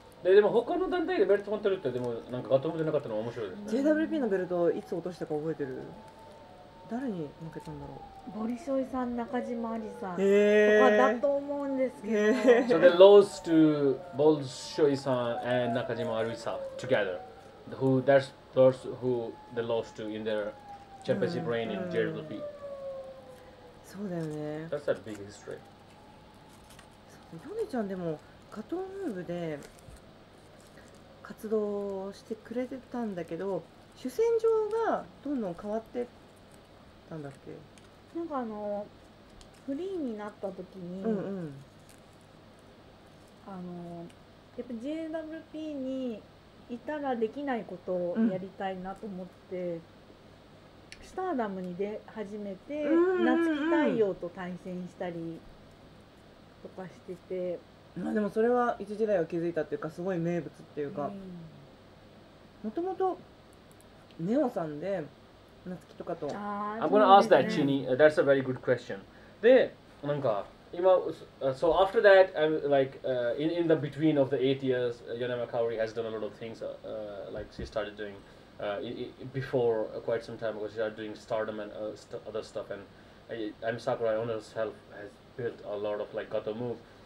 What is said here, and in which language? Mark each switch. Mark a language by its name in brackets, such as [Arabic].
[Japanese] でも他の団体でベルト取ってるってでもなんかGatomuじゃなかったのは面白いですね。 JWP のベルトいつ落としたか覚えてる？誰に負けたんだろう？ボリソイさん、中島アリさんとかだと思うんですけど。 [English] So they lost to ボリソイさん and 中島アリさん together. Who that's those who they lost to in their championship reign in JWP. [Japanese] そうだよね。 [English] That's a big history. [Japanese] ヨネちゃんでもガトムーブで活動してくれてたんだけど、主戦場がどんどん変わってたんだっけ？なんかあのフリーになった時に、うんうん、あのやっぱ JWP にいたらできないことをやりたいなと思って、うん、スターダムに出始めて、うんうんうん、夏木太陽と対戦したりとかしてて、まあ、でもそれは一時代を築いたっていうかすごい名物っていうか、もともとネオさんで夏木とかと。 [English] I'm gonna ask that, Chini. That's a very good question. [Japanese] で、なんか今、 [English] so after that, I'm like, in the between of the 8 years, Yoneyama Kaori has done a lot of things. Like she started doing, before quite some time ago, she started doing Stardom and other stuff. And M. Sakura on herself has built a lot of like Gatomove.